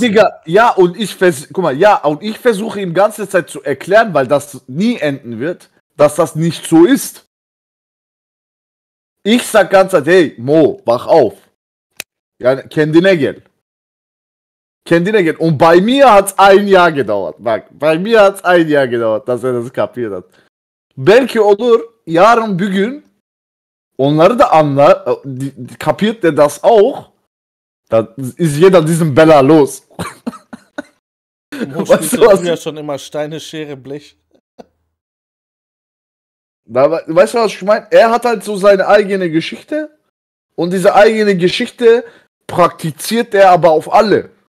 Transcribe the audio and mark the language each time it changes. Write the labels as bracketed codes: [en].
[de] Digga, ja, und ich vers guck mal, ja, und ich versuche ihm ganze Zeit zu erklären, weil das nie enden wird, dass das nicht so ist. Ich sag ganze Zeit, hey, Mo, wach auf. [tr] Yani kendine gel. Kendine gel. [de] Und bei mir hat es ein Jahr gedauert. Bak, bei mir hat es ein Jahr gedauert, dass er das kapiert hat. [tr] Belki olur, yarın bir gün onları da anlar, [de] kapiert der das auch. Da ist jeder diesem Bella los. Mo Weißt du, spielte was früher ich. schon immer Steine, Schere, Blech. Weißt du, was ich meine? Er hat halt so seine eigene Geschichte. Und diese eigene Geschichte praktiziert er aber auf alle.